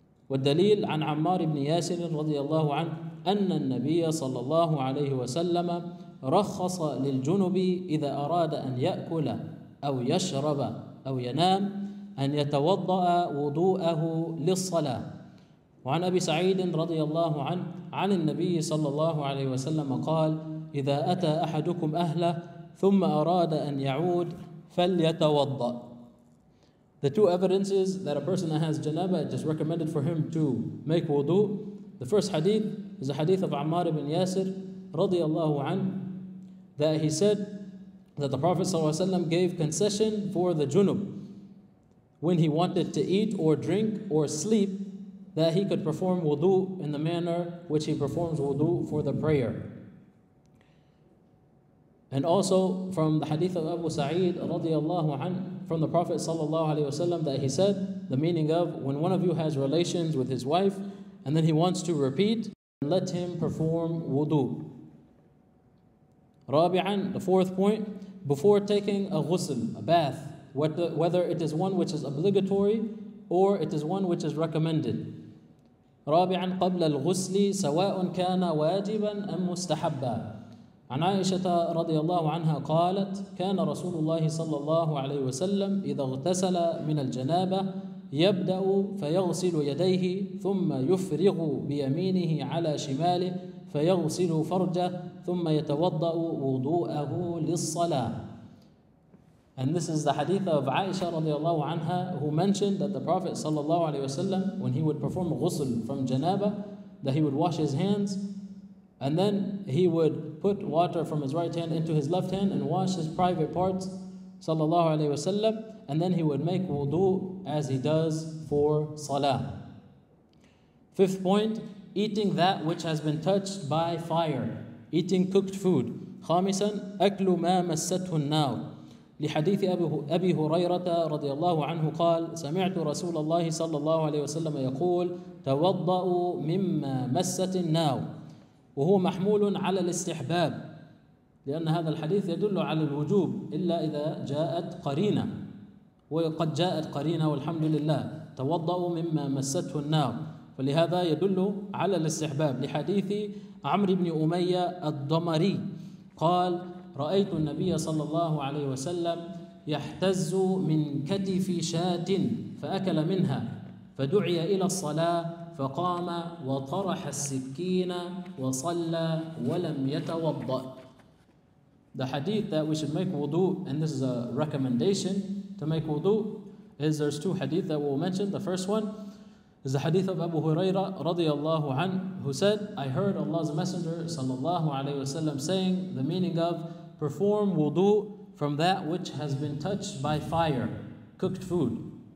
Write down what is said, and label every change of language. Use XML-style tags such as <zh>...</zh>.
<ar>والدليل عن عمار بن ياسر رضي الله عنه أن النبي صلى الله عليه وسلم رخص للجنب إذا أراد أن يأكل أو يشرب أو ينام أن يتوضأ وضوءه للصلاة وعن أبي سعيد رضي الله عنه عن النبي صلى الله عليه وسلم قال إذا أتى أحدكم أهله ثم أراد أن يعود فليتوضأ.</ar> <en>The two evidences that a person that has janaba it just recommended for him to make wudu. The first hadith is a hadith of Ammar ibn Yasir رضي الله عنه that he said that the Prophet صلى الله عليه وسلم gave concession for the junub when he wanted to eat or drink or sleep that he could perform wudu in the manner which he performs wudu for the prayer. And also from the hadith of Abu Sa'id radiyallahu an from the Prophet sallallahu alayhi wa sallam that he said the meaning of when one of you has relations with his wife and then he wants to repeat let him perform wudu. Rabi'an, the fourth point, before taking a ghusl, a bath, whether it is one which is obligatory or it is one which is recommended.</en> <ar>رابعاً قبل الغسل سواء كان واجباً أم مستحباً عن عائشة رضي الله عنها قالت كان رسول الله صلى الله عليه وسلم إذا اغتسل من الجنابة يبدأ فيغسل يديه ثم يفرغ بيمينه على شماله فيغسل فرجه ثم يتوضأ وضوءه للصلاة.</ar> <en>And this is the hadith of Aisha radiallahu anha who mentioned that the Prophet sallallahu alayhi wasallam when he would perform ghusl from janaba that he would wash his hands and then he would put water from his right hand into his left hand and wash his private parts sallallahu alayhi wasallam and then he would make wudu as he does for salah. Fifth point, eating that which has been touched by fire, eating cooked food.</en> <ar>خامساً أكل ما مسته النار لحديث أبي هريرة رضي الله عنه قال سمعت رسول الله صلى الله عليه وسلم يقول توضأوا مما مست النار وهو محمول على الاستحباب لأن هذا الحديث يدل على الوجوب إلا إذا جاءت قرينة وقد جاءت قرينة والحمد لله توضأوا مما مسته النار فلهذا يدل على الاستحباب لحديث عمرو بن أمية الضمري قال رأيت النبي صلى الله عليه وسلم يحتز من كتف شاة فأكل منها فدعي إلى الصلاة فقام وطرح السكين وصلى ولم يتوضأ.</ar> <en>The hadith that we should make wudu and this is a recommendation to make wudu is there's two hadith that we'll mention. The first one is the hadith of Abu Huraira رضي الله عنه who said I heard Allah's Messenger صلى الله عليه وسلم saying the meaning of perform wudu from that which has been touched by fire, cooked food.</en>